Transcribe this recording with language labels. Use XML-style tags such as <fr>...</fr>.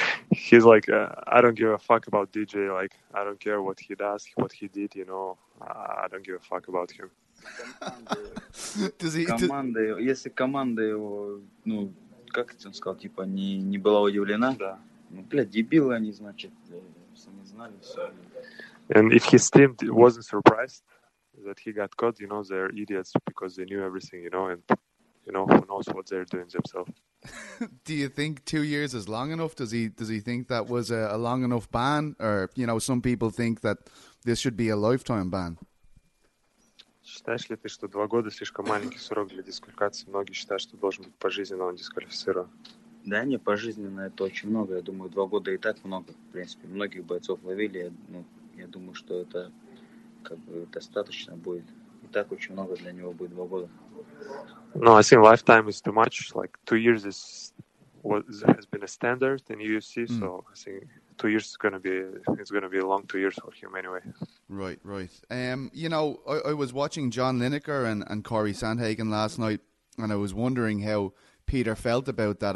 <en>He's like, I don't give a fuck about DJ. Like, I don't care what he does, what he did, you know. I don't give a fuck about him.</en> <ru>Команда его. Если команда его, ну, как это он сказал, типа, не была удивлена? Да. Ну, бля, дебилы они, значит, все не знали, все.</ru> <en>And if his team wasn't surprised that he got caught, you know, they're idiots because they knew everything, you know, and, you know, who knows what they're doing themselves. Do you think 2 years is long enough? Does he think that was a long enough ban? Or, you know, some people think that this should be a lifetime ban.</en> <ru>Считаешь ли ты, что 2 года слишком маленький срок для дисквалификации? Многие считают, что должен быть пожизненно он дисквалифицирован. Да не, пожизненно это очень много. Я думаю, 2 года и так много. В принципе, многих бойцов ловили, ну, я думаю, что это как бы достаточно будет. И так очень много для него будет 2 года.</ru> <en>No, I think lifetime is too much. Like 2 years is what has been a standard in UFC. Mm. So I think 2 years is gonna be a long 2 years for him anyway. Right, right. You know, I was watching John Lineker and Corey Sandhagen last night, and I was wondering how Peter felt about that.</en>